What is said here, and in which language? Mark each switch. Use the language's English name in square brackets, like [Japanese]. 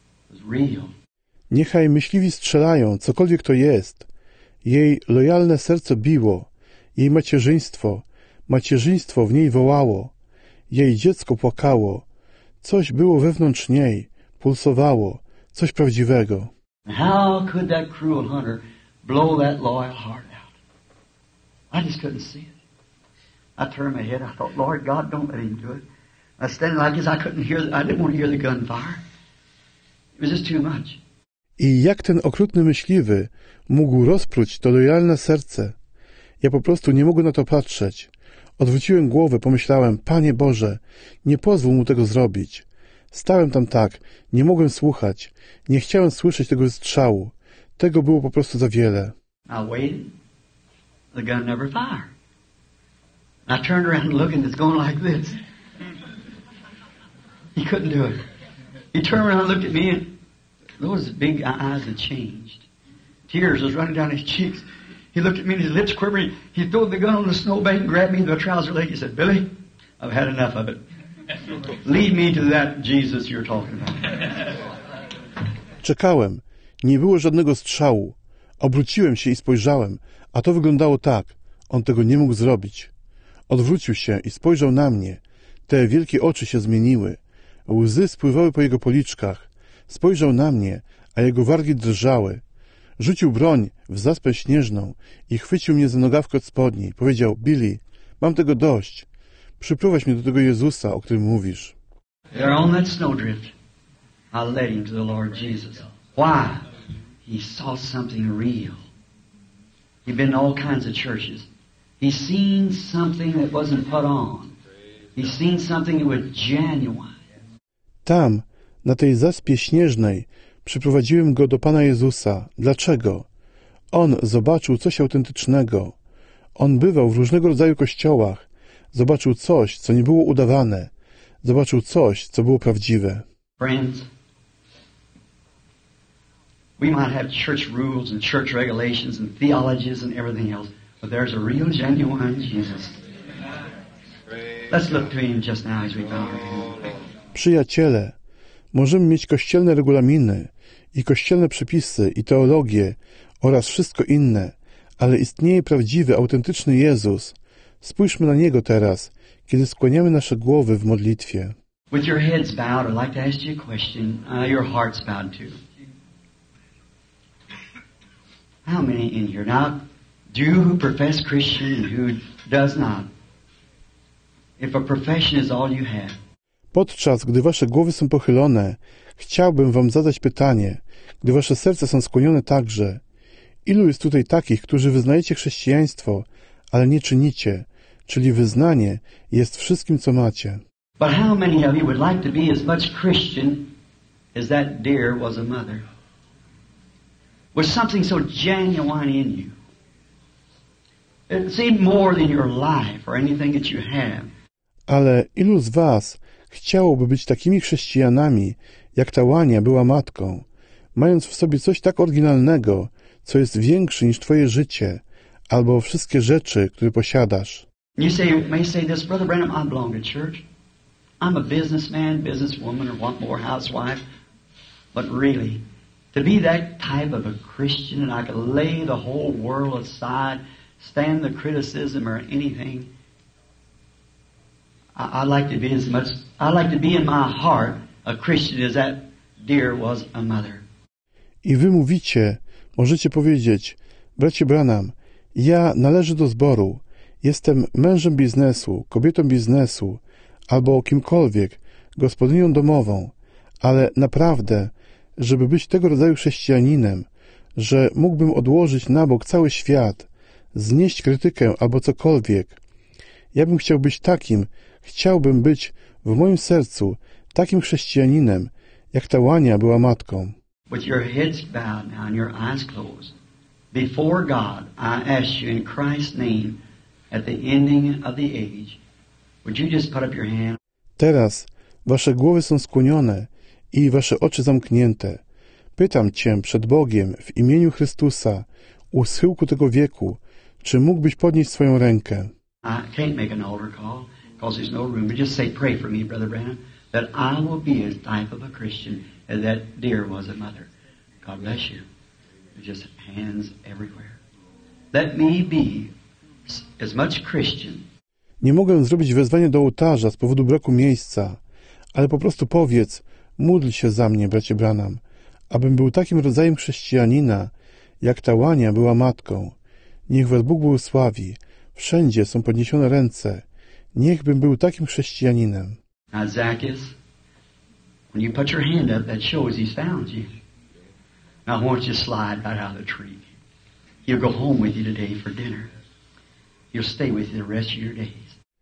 [English] It was real. [Polish] Niechaj myśliwi strzelają, cokolwiek to jest. Jej lojalne serce biło. Jej macierzyństwo. Macierzyństwo w niej wołało. Jej dziecko płakało. Coś było wewnątrz niej. Pulsowało. Coś prawdziwego. [English] How could that cruel hunter blow that loyal heart? I just couldn't see it. I turned my head. I thought, Lord God, don't let him do it. I stand like this. I couldn't hear. I didn't want to hear the gunfire. It was just too much. [Polish] I jak ten okrutny myśliwy mógł rozpruć to lojalne serce? Ja po prostu nie mogłem na to patrzeć. Odwróciłem głowę, pomyślałem, Panie Boże, nie pozwól mu tego zrobić. Stałem tam tak, nie mogłem słuchać, nie chciałem słyszeć tego strzału. Tego było po prostu za wiele. [English] I waited. The gun never fired. I turned around and looked, and it's going like this. He couldn't do it. He turned around and looked at me, and those big eyes had changed. Tears was running down his cheeks. He looked at me, and his lips quivering. He threw the gun on the snowbank and grabbed me in the trouser leg. He said, Billy, I've had enough of it. Lead me to that Jesus you're talking about. [Polish] Czekałem. Nie było żadnego strzału. Obróciłem się i spojrzałem, a to wyglądało tak. On tego nie mógł zrobić. Odwrócił się i spojrzał na mnie. Te wielkie oczy się zmieniły. Łzy spływały po jego policzkach. Spojrzał na mnie, a jego wargi drżały. Rzucił broń w zaspę śnieżną i chwycił mnie za nogawkę od spodni. Powiedział, Billy, mam tego dość. Przyprowadź mnie do tego Jezusa, o którym mówisz. [English] They're on that snowdrift. I led him to the Lord Jesus. Why? He saw something real. He'd been to all kinds of churches. He seen something that wasn't put on. He seen something that was genuine. [Polish] Tam, na tej zaspie śnieżnej, przyprowadziłem go do Pana Jezusa. Dlaczego? On zobaczył coś autentycznego. On bywał w różnego rodzaju kościołach. Zobaczył coś, co nie było udawane. Zobaczył coś, co było prawdziwe. [English] Friends, we might have church rules and church regulations and theologies and everything else, but there's a real, genuine Jesus. Let's look to him just now as we bow our heads. [Polish] Przyjaciele, możemy mieć kościelne regulaminy i kościelne przepisy i teologię oraz wszystko inne, ale istnieje prawdziwy, autentyczny Jezus. Spójrzmy na Niego teraz, kiedy skłaniamy nasze głowy w modlitwie. [English] With your heads bowed, I'd like to ask you a question. Your heart's bowed too. How many in here now? Do you who profess Christian and who does not? If a profession is all you have. [Polish] Podczas gdy wasze głowy są pochylone, chciałbym wam zadać pytanie, gdy wasze serca są skłonione także. Ilu jest tutaj takich, którzy wyznajecie chrześcijaństwo, ale nie czynicie, czyli wyznanie jest wszystkim, co macie? [English] But how many of you would like to be as much Christian as that deer was a mother? With something so genuine in you. It's even more than your life or anything that you have. [Polish] Ale ilu z was chciałoby być takimi chrześcijanami, jak ta łania była matką, mając w sobie coś tak oryginalnego, co jest większe niż twoje życie albo wszystkie rzeczy, które posiadasz? [English] You say, you may say this, Brother Branham, I belong to church. I'm a businessman, businesswoman, or one more housewife. But really, to be that type of a Christian and I could lay the whole world aside, stand the criticism or anything, I'd like to be as much, I'd like to be in my heart a Christian as that deer was a mother. [Polish] I wy mówicie, możecie powiedzieć, bracie Branham, ja należę do zboru, jestem mężem biznesu, kobietą biznesu, albo kimkolwiek, gospodynią domową, ale naprawdę, żeby być tego rodzaju chrześcijaninem, że mógłbym odłożyć na bok cały świat, znieść krytykę albo cokolwiek, ja bym chciał być takim, chciałbym być w moim sercu takim chrześcijaninem, jak ta łania była matką. [English] With your heads bowed now and your eyes closed, before God, I ask you in Christ's name, at the ending of the age, would you just put up your hand? [Polish] Teraz wasze głowy są skłonione i wasze oczy zamknięte. Pytam cię przed Bogiem w imieniu Chrystusa u schyłku tego wieku, czy mógłbyś podnieść swoją rękę? [English] I can't make an altar call because there's no room, but just say pray for me, Brother Branham, that I will be a type of a Christian as that deer was a mother. God bless you. Just hands everywhere. Let me be as much Christian. [Polish] Nie mogę zrobić wezwania do ołtarza z powodu braku miejsca, ale po prostu powiedz, módl się za mnie, bracie Branham, abym był takim rodzajem chrześcijanina, jak ta łania była matką. Niech was Bóg błogosławi. Wszędzie są podniesione ręce. Niechbym był takim chrześcijaninem. [English] Now, Zacchaeus, when you put your hand up, that shows he's found you. Now, why don't you slide right out of the tree? He'll go home with you today for dinner. He'll stay with you the rest of your days.